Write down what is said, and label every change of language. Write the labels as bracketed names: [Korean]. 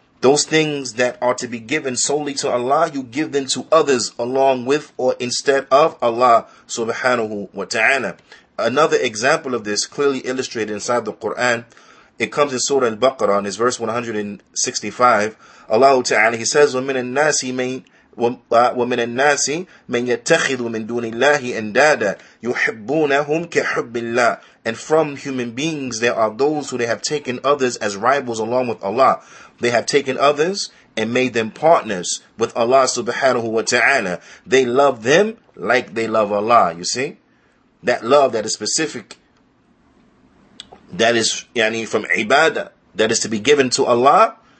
[English] Those things that are to be given solely to Allah, you give them to others along with or instead of Allah subhanahu wa ta'ala. Another example of this clearly illustrated inside the Quran, it comes in Surah Al-Baqarah, and it's verse 165. [Arabic] Allah ta'ala, [English] He says, [Arabic] وَمِنَ النَّاسِ مَنْ وَمِنَ النَّاسِ مَنْ يَتَّخِذُ مِنْ دُونِ اللَّهِ أَنْدَادًا يُحِبُّونَهُمْ كَحُبِّ اللَّهِ. [English] And from human beings there are those who they have taken others as rivals along with Allah. They have taken others and made them partners with Allah subhanahu wa ta'ala. They love them like they love Allah. You see? That love that is specific, that is from ibadah, that is to be given to Allah,